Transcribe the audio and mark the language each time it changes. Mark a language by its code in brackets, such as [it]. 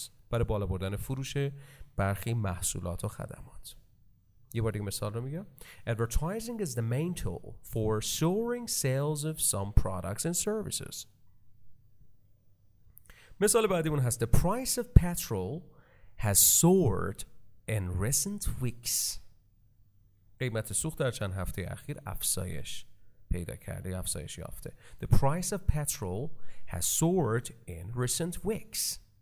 [fa] برای بالا بردن فروش برخی محصولات و خدمات. یه بار دیگه مثال رو میگم. [en] Advertising is the main tool for soaring sales of some products and services. [fa] مثال بعدیمون هست: [en] The price of petrol has soared in recent weeks. [fa] قیمت سوخت در چند هفته اخیر افزایش پیدا کرده، افزایش یافته. [en] The price of petrol has soared in recent weeks.